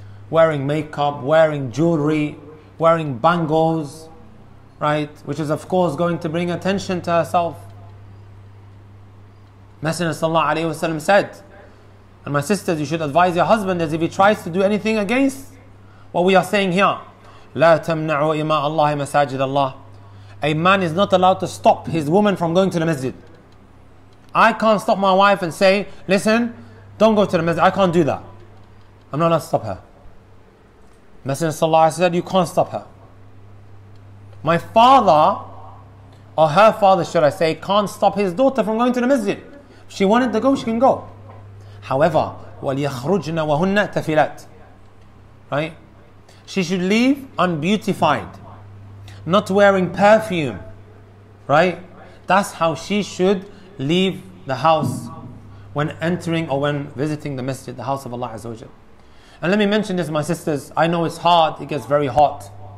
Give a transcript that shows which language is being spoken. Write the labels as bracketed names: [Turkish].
[English] Wearing makeup, wearing jewelry, wearing bangles, right? Which is, of course, going to bring attention to herself. Messenger sallallahu alayhi wasallam said, and my sisters, you should advise your husband as if he tries to do anything against what we are saying here. [Arabic] لا تمنعوا إماء الله مساجد الله. [English] A man is not allowed to stop his woman from going to the masjid. I can't stop my wife and say, listen, don't go to the masjid. I can't do that. I'm not allowed to stop her. Messenger of Allah said, you can't stop her. My father, or her father, should I say, can't stop his daughter from going to the masjid. If she wanted to go, she can go. [Arabic] However, وَلْيَخْرُجْنَ وَهُنَّ تَفِلَتْ. [English] Right? She should leave unbeautified, not wearing perfume. Right? That's how she should leave the house when entering or when visiting the masjid, the house of Allah Azza wa Jal. And let me mention this, my sisters. I know it's hard, it gets very hot.